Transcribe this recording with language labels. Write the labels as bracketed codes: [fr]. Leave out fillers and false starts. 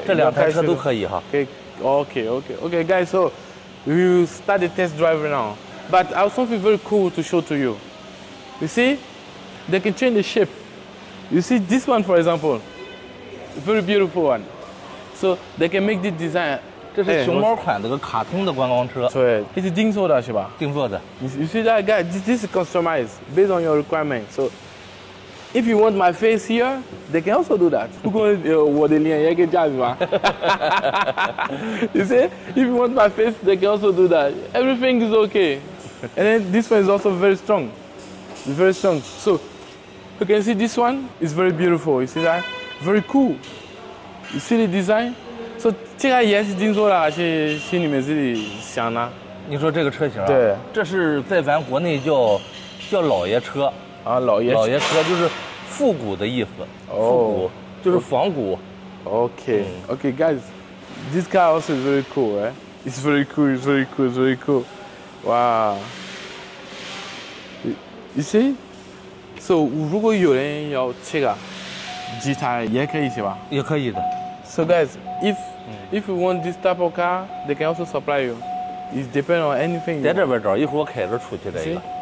[zh] 这两台车都可以哈。 [en] Okay. Okay, guys, so we will start the test drive now. But I have something very cool to show to you. You see, they can change the shape. You see this one, for example, a very beautiful one. So they can make the design. [zh] 这是熊猫款的个卡通的观光车。对，这是定做的是吧？定做的。 [en] You see that, guys, this is customized based on your requirement. So if you want my face here,They can also do that. [zh] 不过我的脸也可以这样子吗？ [en] You see, if you want my face, they can also do that. Everything is okay. And then this one is also very strong. It's very strong. So, you can see this one is very beautiful. You see that? Very cool. You see the design? So, [zh] 这个也是定做的，是心里面自己想的。你说这个车型啊？对，这是在咱国内叫老爷车啊，老爷老爷车就是。复古的意思，复古就是仿古。 [en] Okay, guys, this car also is very cool, right? It's very cool, it's very cool, it's very cool. Wow. You see? So, [zh] 如果有人要这个机台也可以是吧？也可以的。 [en] So, guys, if you want this type of car, they can also supply you. It depends on anything. [zh] 在这边找，一会儿开着出去来一个。